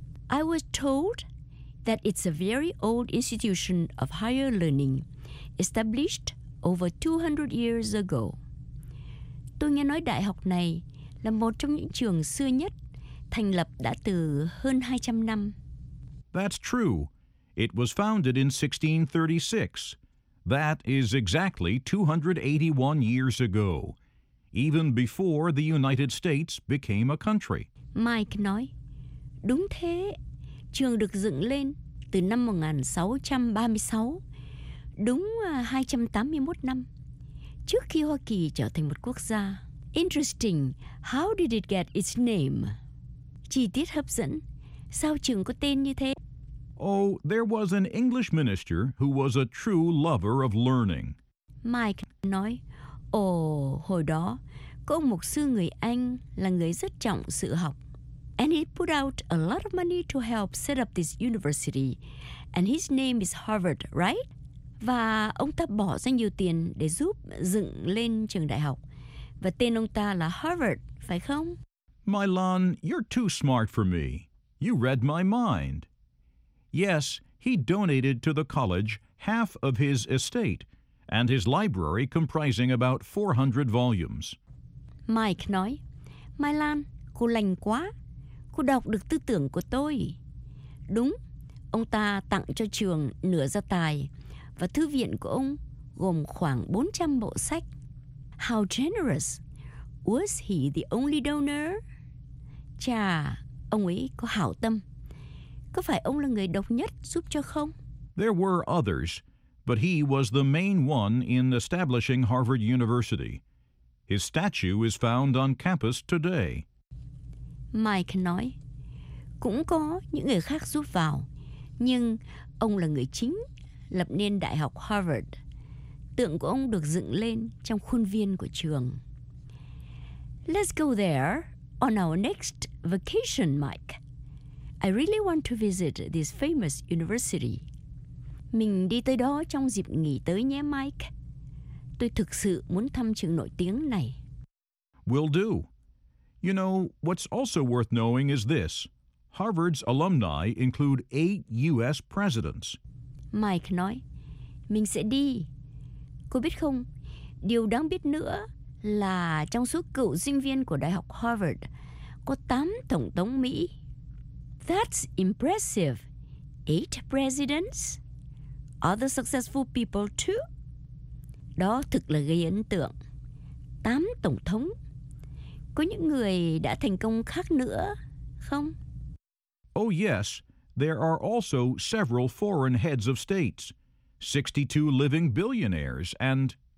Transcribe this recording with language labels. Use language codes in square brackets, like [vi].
[en] I was told that it's a very old institution of higher learning, established over 200 years ago. [vi] Tôi nghe nói đại học này là một trong những trường xưa nhất, thành lập đã từ hơn 200 năm. [en] That's true. It was founded in 1636. That is exactly 281 years ago, even before the United States became a country. [vi] Mike nói, đúng thế. Trường được dựng lên từ năm 1636, đúng 281 năm, trước khi Hoa Kỳ trở thành một quốc gia. [en] Interesting, how did it get its name? [vi] Chi tiết hấp dẫn, sao trường có tên như thế? [en] Oh, there was an English minister who was a true lover of learning. [vi] Mike nói, hồi đó, có ông mục sư người Anh là người rất trọng sự học. [en] And he put out a lot of money to help set up this university. And his name is Harvard, right? [vi] Và ông ta bỏ ra nhiều tiền để giúp dựng lên trường đại học. Và tên ông ta là Harvard, phải không? [en] Milan, you're too smart for me. You read my mind. Yes, he donated to the college half of his estate and his library comprising about 400 volumes. [vi] Mike nói, Milan, cô lành quá. Cô đọc được tư tưởng của tôi. Đúng, ông ta tặng cho trường nửa gia tài và thư viện của ông gồm khoảng 400 bộ sách. [en] How generous! Was he the only donor? [vi] Chà, ông ấy có hảo tâm. Có phải ông là người độc nhất giúp cho không? [en] There were others, but he was the main one in establishing Harvard University. His statue is found on campus today. [vi] Mike nói, cũng có những người khác giúp vào, nhưng ông là người chính lập nên Đại học Harvard. Tượng của ông được dựng lên trong khuôn viên của trường. [en] Let's go there on our next vacation, Mike. I really want to visit this famous university. [vi] Mình đi tới đó trong dịp nghỉ tới nhé, Mike. Tôi thực sự muốn thăm trường nổi tiếng này. [en] Will do. You know, what's also worth knowing is this. Harvard's alumni include 8 U.S. presidents. [vi] Mike nói, mình sẽ đi. Cô biết không, điều đáng biết nữa là trong số cựu sinh viên của Đại học Harvard, có 8 tổng thống Mỹ. [en] That's impressive. 8 presidents? Other successful people too? [vi] Đó thực là gây ấn tượng. 8 tổng thống. Có những người đã thành công khác nữa, không? [en] Oh yes, there are also several foreign heads of states, 62 living billionaires and...